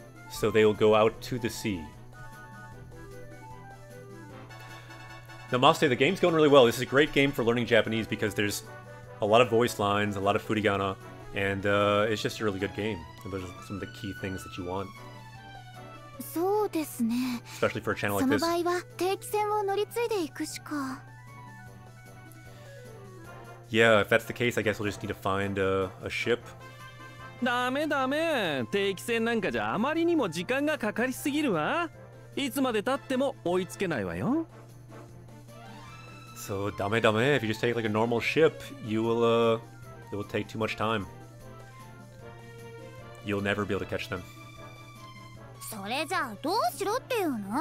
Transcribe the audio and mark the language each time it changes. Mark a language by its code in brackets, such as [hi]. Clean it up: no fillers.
[en] So they will go out to the sea. Namaste, the game's going really well. This is a great game for learning Japanese because there's a lot of voice lines, a lot of furigana, and it's just a really good game. Those are some of the key things that you want. [ja] そうですね。 [en] Especially for a channel like this. [ja] その場合は、定期船を乗り継いでいくしか。 [en] Yeah, if that's the case, I guess we'll just need to find a ship. [ja] ダメダメ。定期船なんかじゃあまりにも時間がかかりすぎるわ。いつまで経っても追いつけないわよ。 [en] So, [ja] dame dame, [en] if you just take like a normal ship, you will, it will take too much time. You'll never be able to catch them. [ja] それじゃあどうしろっていうの?